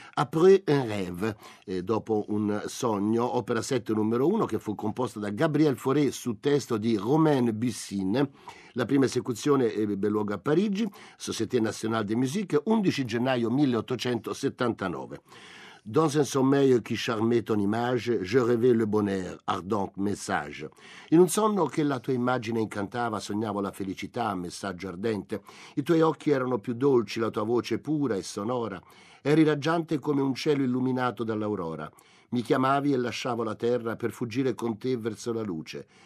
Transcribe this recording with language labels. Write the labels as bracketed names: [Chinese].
[French] Après un rêve, [Italian] dopo un sogno, opera 7 numero 1, che fu composta da Gabriel Fauré su testo di Romain Bussin. La prima esecuzione ebbe luogo a Parigi, Société Nationale de Musique, 11 gennaio 1879. [French] Dans un sommeil qui charmait ton image, je rêvais le bonheur, ardent message. [Italian] In un sonno che la tua immagine incantava, sognavo la felicità, messaggio ardente. I tuoi occhi erano più dolci, la tua voce pura e sonora. Eri raggiante come un cielo illuminato dall'aurora. Mi chiamavi e lasciavo la terra per fuggire con te verso la luce.